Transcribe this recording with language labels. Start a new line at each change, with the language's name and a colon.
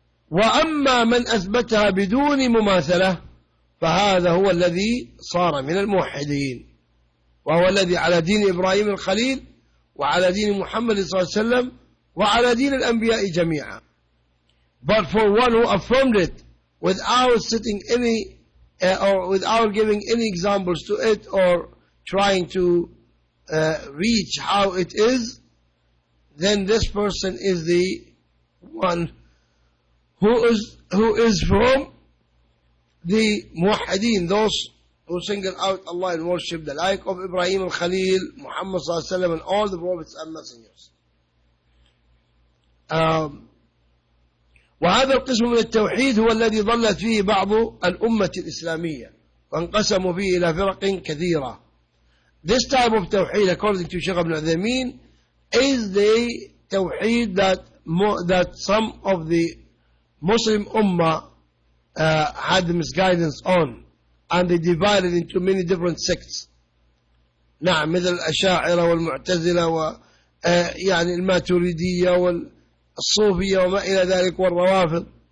Arabic: وأما من أثبتها بدون مماثلة فهذا هو الذي صار من الموحدين وهو الذي على دين إبراهيم الخليل وعلى دين محمد صلى الله عليه وسلم وعلى دين الأنبياء جميعا.
English: But for one who affirmed it without setting any or without giving any examples to it or trying to reach how it is, then this person is the one who is from the muwahideen, those who single out Allah and worship the like of Ibrahim al-Khalil, Muhammad sallallahu alayhi wa sallam, and all the prophets and messengers.
Arabic: وهذا القسم من التوحيد هو الذي ظلت فيه بعض الأمة الإسلامية وانقسموا فيه إلى فرق كثيرة.
English: This type of tawheed, according to Sheikh Ibn Uthaymeen, is the tawheed that some of the Muslim Ummah had misguidance on, and they divided into many different sects.
Arabic: نعم مثل الأشاعرة والمعتزلة ويعني الماتريدية وال الصوفية وما إلى ذلك والروافض.